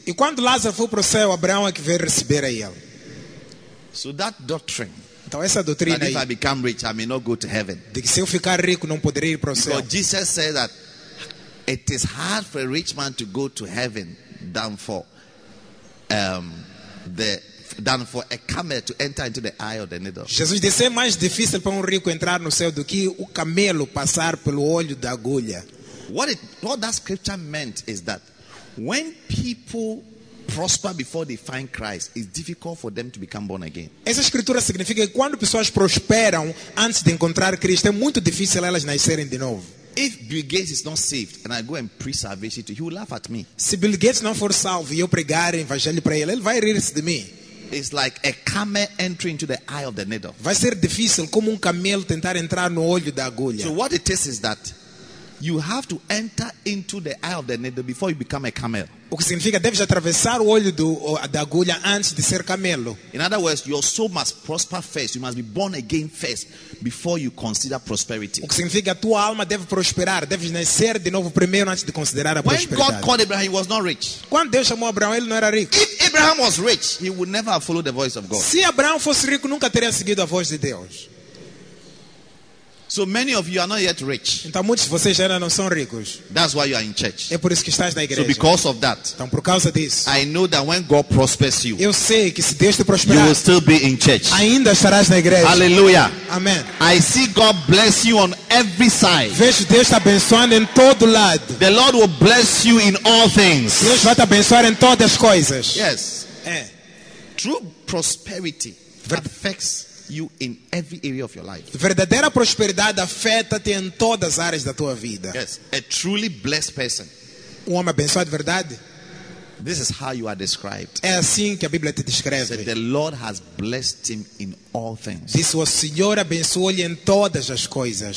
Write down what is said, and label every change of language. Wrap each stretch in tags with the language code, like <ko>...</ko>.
<pt>E quando Lázaro foi para o céu, Abraão é que veio receber a ele.</pt> <en>So that doctrine.</en> <pt>Então essa doutrina aí.</pt> <en>If I become rich, I may not go to heaven.</en> <pt>De que se eu ficar rico, não poderei ir para o céu.</pt> <en>Because Jesus said that it is hard for a rich man to go to heaven than for a camel to enter into the eye of the needle.</en> <pt>Jesus disse é mais difícil para rico entrar no céu do que o camelo passar pelo olho da agulha.</pt> <en>What that scripture meant is that when people prosper before they find Christ, it's difficult for them to become born again.</en> <pt>Essa escritura significa que quando pessoas prosperam antes de encontrar Cristo, é muito difícil elas nascerem de novo.</pt> <en>If Bill Gates is not saved and I go and preach salvation to him, he will laugh at me.</en> <pt>Se Bill Gates não for salvo e eu pregar o evangelho para ele, ele vai rir de mim.</pt> <en>It's like a camel entering into the eye of the needle.</en> <pt>Vai ser difícil como camelo tentar entrar no olho da agulha.</pt> <en>So what it is that you have to enter into the eye of the needle before you become a camel.</en> <pt>O que significa deve atravessar o olho da agulha antes de ser camelo.</pt> <en>In other words, your soul must prosper first. You must be born again first before you consider prosperity.</en> <pt>O que significa tua alma deve prosperar, deve nascer de novo primeiro antes de considerar a prosperidade.</pt> <en>When God called Abraham, he was not rich.</en> <pt>Quando Deus chamou Abraão, ele não era rico.</pt> <en>If Abraham was rich, he would never have followed the voice of God.</en> <pt>Se Abraão fosse rico, nunca teria seguido a voz de Deus.</pt> <en>So many of you are not yet rich.</en> <pt>Então muitos de vocês ainda não são ricos.</pt> <en>That's why you are in church.</en> <pt>É por isso que estás na igreja.</pt> <en>So because of that.</en> <pt>Então por causa disso.</pt> <en>I know that when God prospers you.</en> <pt>Eu sei que se Deus te prosperar.</pt> <en>You will still be in church.</en> <pt>Ainda estarás na igreja. Hallelujah. Amen.</pt> <en>I see God bless you on every side.</en> <pt>Vejo Deus te abençoando em todo lado.</pt> <en>The Lord will bless you in all things.</en> <pt>Deus vai te abençoar em todas as coisas.</pt> <en>Yes.</en> <pt>É.</pt> <en>True prosperity affects you in every area of your life.</en> <pt>Verdadeira prosperidade afeta-te em todas as áreas da tua vida.</pt> <en>Yes, a truly blessed person.</en> <pt>Um homem abençoado de verdade.</pt> <en>This is how you are described.</en> <pt>É assim que a Bíblia te descreve.</pt> <en>Said, the Lord has blessed him in all things.</en> <pt>Diz, o Senhor abençoou-lhe em todas as coisas.</pt>